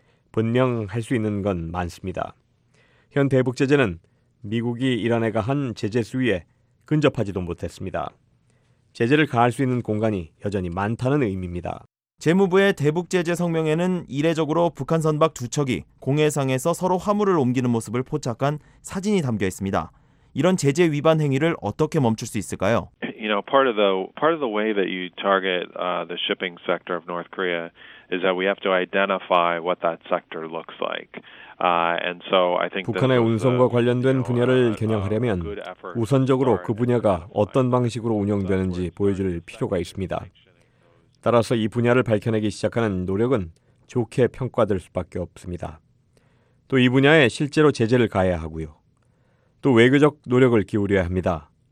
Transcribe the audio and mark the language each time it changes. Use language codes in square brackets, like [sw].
[ko] 분명 할 수 있는 건 많습니다. 현 대북 제재는 미국이 이란에 가한 제재 수위에 근접하지도 못했습니다. 제재를 가할 수 있는 공간이 여전히 많다는 의미입니다. 재무부의 대북 제재 성명에는 이례적으로 북한 선박 두 척이 공해상에서 서로 화물을 옮기는 모습을 포착한 사진이 담겨 있습니다. 이런 제재 위반 행위를 어떻게 멈출 수 있을까요? [en] You know, part of the way that you target the shipping sector of North Korea is that we have to identify what that sector looks like. And so I think [ko] 북한의 운송과 관련된 분야를 겨냥하려면 우선적으로 그 분야가 어떤 방식으로 운영되는지 보여줄 필요가 있습니다. 따라서 이 분야를 밝혀내기 시작하는 노력은 좋게 평가될 수밖에 없습니다. 또 이 분야에 실제로 제재를 가해야 하고요. 또 외교적 노력을 기울여야 합니다.